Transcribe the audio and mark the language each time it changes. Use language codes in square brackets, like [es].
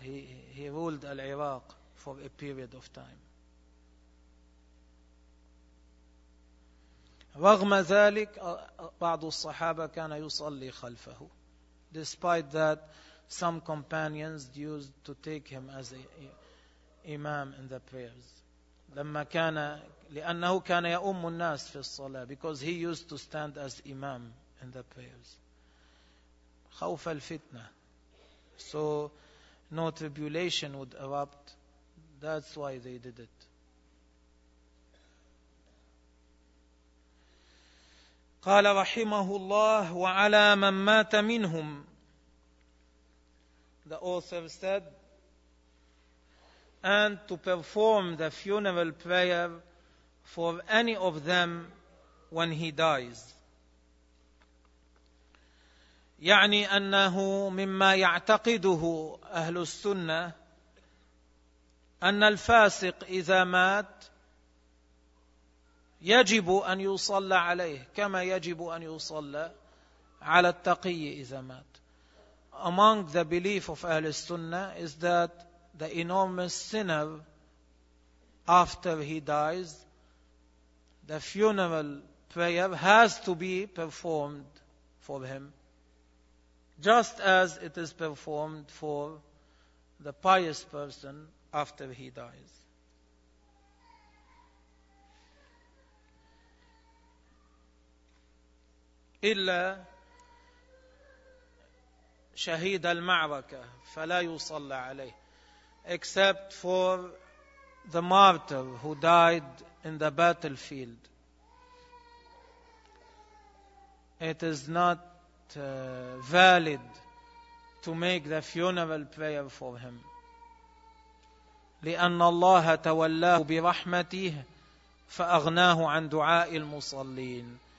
[en] He ruled العراق for a period of time. [ar] رغم ذلك بعض الصحابة كان يصلي خلفه. [en] Despite that, some companions used to take him as a, imam in the prayers. [ar] لما كان لأنه كان يأم الناس في الصلاة [en] because he used to stand as imam in the prayers. [ar] خوف الفتنة. [en] So no tribulation would erupt. That's why they did it. [ar] قال رحمه الله وعلى من مات منهم. [en] The author said, and to perform the funeral prayer for any of them when he dies. [ar] يعني أنه مما يعتقده أهل السنة أن الفاسق إذا مات يجب أن يصلى عليه كما يجب أن يصلى على التقي إذا مات. [en] Among the belief of أهل السنة is that the enormous sinner, after he dies, the funeral prayer has to be performed for him, just as it is performed for the pious person after he dies. [ar] إلا شهيد المعركة فلا يصلى عليه. [en] Except for the martyr who died in the battlefield. It is not valid to make the funeral prayer for him. [ar] لأن الله تولاه برحمته فأغناه عن دعاء المصلين.